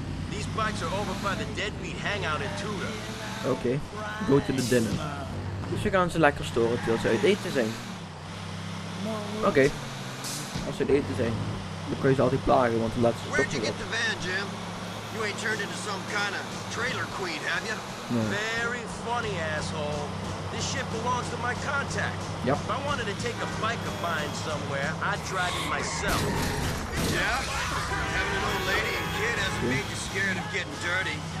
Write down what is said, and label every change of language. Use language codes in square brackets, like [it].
[en] These bikes are over by the deadbeat hangout in Tudor. Okay, go to the dinner. [nl] Dus we gaan ze lekker storen terwijl ze uit eten zijn. Okay, als ze uit eten zijn, dan kun je ze altijd plagen, want dan laat ze stoppen. [en] Where'd you get the van, Jim? You ain't turned into some kind of trailer queen, have you? [nl] Nee. [en] Very funny, asshole. This ship belongs to my contact. Yep. If I wanted to take a bike of mine somewhere, I'd drive it myself. Yeah, having an old lady and kid hasn't made you scared of getting dirty.